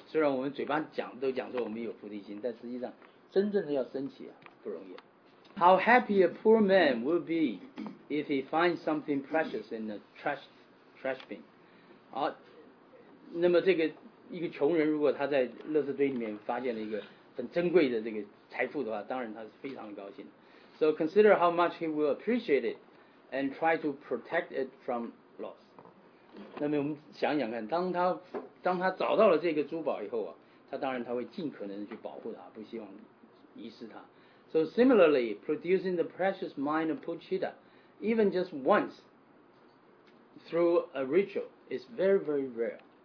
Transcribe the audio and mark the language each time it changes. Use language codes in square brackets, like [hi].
[zh] 虽然我们嘴巴都讲说我们有菩提心，但实际上真正的要升起啊，不容易。 [en] How happy a poor man will be if he finds something precious in the trash bin？ [zh] 好，那么这个。一个穷人如果他在垃圾堆里面发现了一个很珍贵的这个财富的话，当然他是非常的高兴。 [en] So consider how much he will appreciate it and try to protect it from loss. [zh] 那么我们想想看，当他找到了这个珠宝以后啊，他当然他会尽可能去保护它，不希望遗失它。 [en] So similarly, producing the precious mine of Puchida, even just once through a ritual, is very, very rare.